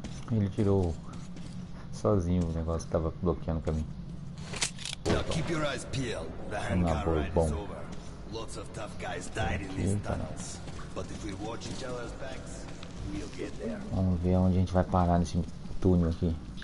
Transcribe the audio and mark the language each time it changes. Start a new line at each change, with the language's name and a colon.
Portuguese: Ele tirou sozinho o negócio que estava bloqueando o caminho.
English: Now keep your eyes peeled. The handcar ride is over. Lots of tough guys died in these tunnels. But if we watch each other's backs, we'll get there.
Portuguese: Vamos ver onde a gente vai parar nesse túnel aqui.